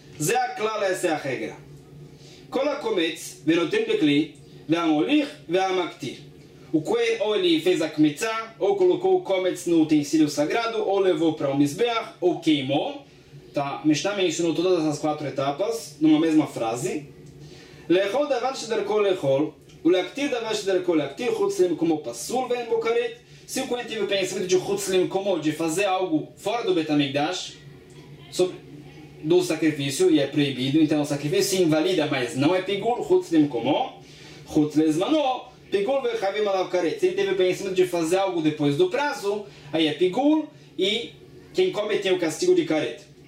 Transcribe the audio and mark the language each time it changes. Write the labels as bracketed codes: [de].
[he] Ze a clala [pt] essa é a regra. [he] Kola kometz venotem bekli veamolich veamaktir. [pt] O Kohen ou ele fez a kmitza, ou colocou o kometz no utensílio sagrado, ou levou para o mizbeach, ou queimou. Tá, Mishnah mencionou todas essas quatro etapas numa mesma frase. [he] לאכול דבר שדרכו לאכול, ולהקטיר דבר שדרכו להקטיר חוץ למקומו פסול ואין בו כרת. [pt] Se o Kohen teve o pensamento de חוץ למקומו, de fazer algo fora do Betamigdash, do sacrifício, e é proibido, então o sacrifício se invalida, mas não é pigur, חוץ למקומו, חוץ לזמנו, pigur [he] וחייבים עליו כרת. [pt] Se ele teve o pensamento de fazer algo depois do prazo, aí é pigur, e quem come tem o castigo de kareta.